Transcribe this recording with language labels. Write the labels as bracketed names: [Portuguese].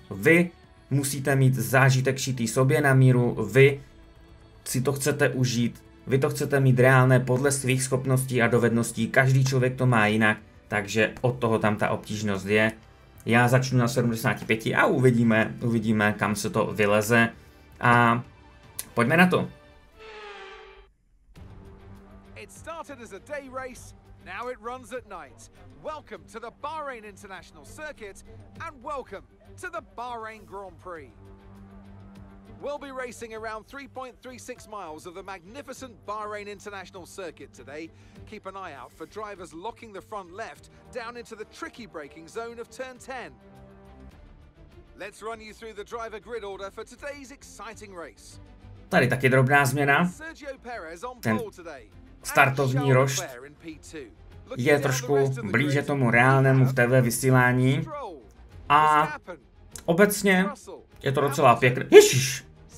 [Czech] Vy musíte mít zážitek šitý sobě na míru, vy si to chcete užít, vy to chcete mít reálné podle svých schopností a dovedností, každý člověk to má jinak, takže od toho tam ta obtížnost je. Já začnu na 75 a uvidíme, kam se to vyleze. A pojďme na to. [English] It started as a day race, now it runs at night. Welcome to the Bahrain International Circuit and welcome to the Bahrain Grand Prix. We'll be racing around 3.36 miles of the magnificent Bahrain International Circuit today. Keep an eye out for drivers locking the front left down into the tricky braking zone of turn 10. Let's run you through the driver grid order for today's exciting race. [Czech] Tady taky drobná změna. Sergio Perez [English] on pole today. [Czech] Startovní rošt je trošku blíže tomu reálnému v TV vysílání. A obecně je to docela pěkné. Ježiš!